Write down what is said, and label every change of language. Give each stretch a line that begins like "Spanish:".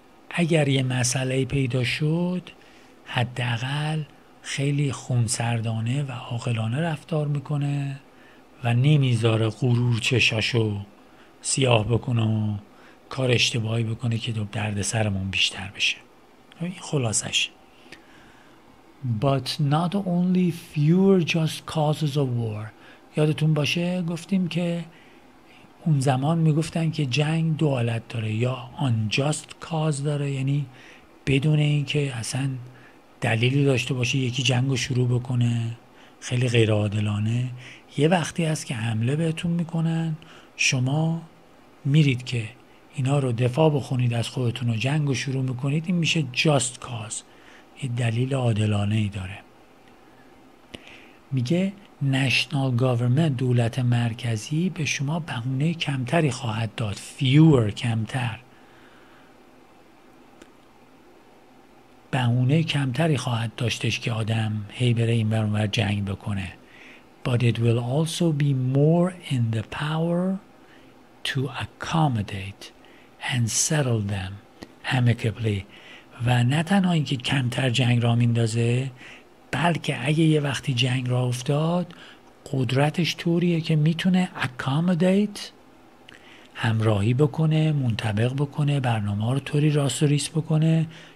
Persian: اگر یه مسئله پیدا شد حداقل خیلی خونسردانه و عاقلانه رفتار میکنه و نمیذاره غرور چشاشو سیاه بکنه و کار اشتباهی بکنه که درد سرمون بیشتر بشه. این خلاصش.
English: But not only fewer just causes of war.
Persian: یادتون باشه گفتیم که اون زمان میگفتن که جنگ دو حالت داره، یا unjust cause داره، یعنی بدون اینکه اصلا دلیلی داشته باشه یکی جنگ رو شروع بکنه، خیلی غیرعادلانه. یه وقتی هست که حمله بهتون میکنن، شما میرید که اینا رو دفاع بخونید از خودتون و جنگ رو شروع میکنید، این میشه just cause، یه دلیل عادلانه ای داره. میگه نشنال گاورمنت، دولت مرکزی، به شما بهونه کمتری خواهد داد. فیور، کمتر. بهونه کمتری خواهد داشتش که آدم هی بره این بر اونور جنگ بکنه.
English: But it will also be more in the power to accommodate and settle them amicably.
Persian: و نه تنها اینکه کمتر جنگ را میندازه، بلکه اگه یه وقتی جنگ را افتاد قدرتش طوریه که میتونه accommodate، همراهی بکنه، منطبق بکنه، برنامه رو طوری راست و ریس بکنه.